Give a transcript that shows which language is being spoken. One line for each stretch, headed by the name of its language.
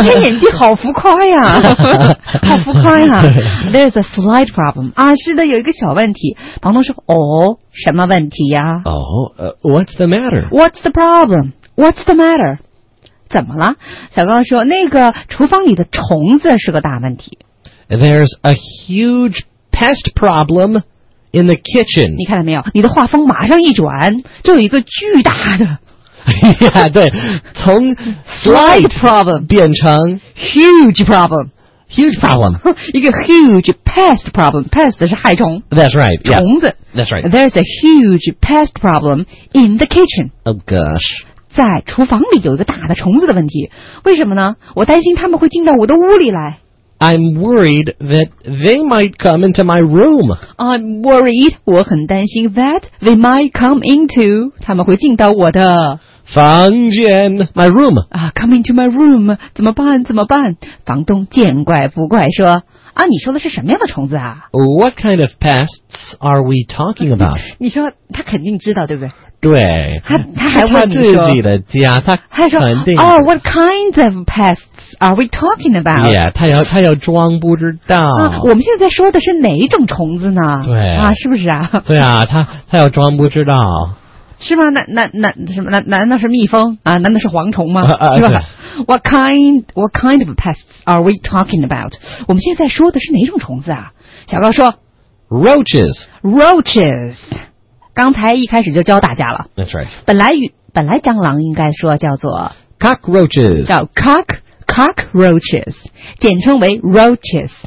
Chinese: 你演技好浮夸呀，好浮夸呀。
English: There's a slight problem。
Chinese: 啊，是的，有一个小问题。房东说：“哦，什么问题呀？”
English: 哦、，What's the matter? What's the problem? What's the matter?
Chinese: 怎么了？小高说，那个厨房里的虫子是个大问题。
English: There's a huge pest problem in the kitchen.
Chinese: 你看到没有？你的画风马上一转，就有一个巨大的。 yeah, 对，从
English: slight problem
Chinese: 变成
English: huge problem。 Huge problem.
Chinese: 一个
English: huge pest problem.
Chinese: Pest 是害虫。
English: That's right.
Chinese: 虫子。
English: Yeah, that's right. There's a huge pest problem in the kitchen. Oh gosh.
Chinese: 在厨房里有一个大的虫子的问题，为什么呢？我担心他们会进到我的屋里来。
English: I'm worried that they might come into my room. I'm worried.
Chinese: 我很担心
English: that they might come into.
Chinese: 他们会进到我的房间 ，
English: my room.
Chinese: 啊 ，
English: come into my room.
Chinese: 怎么办？怎么办？房东见怪不怪说。啊，你说的是什么样的虫子啊
English: ？What kind of pests are we talking about？
Chinese: 你说他肯定知道，对不对？对，他还问你说自己的家，他还说肯定
English: 哦 ，What kinds of pests？ depths are we talking about?
Chinese: Yeah, 他要装不知道、啊。我们现在说的是哪一种虫子呢？对啊，是不是啊？对啊，他要装不知道。是吗？难道是蜜蜂啊？难道是蝗虫吗？是吧？
English: What kind of pests are we talking about?
Chinese: 我们现在说的是哪种虫子啊？小高说
English: ，roaches。 Roaches。
Chinese: 刚才一开始就教大家了。
English: That's right。
Chinese: 本来蟑螂应该说叫做
English: cockroaches，
Chinese: 叫 cockroaches， 简称为 roaches。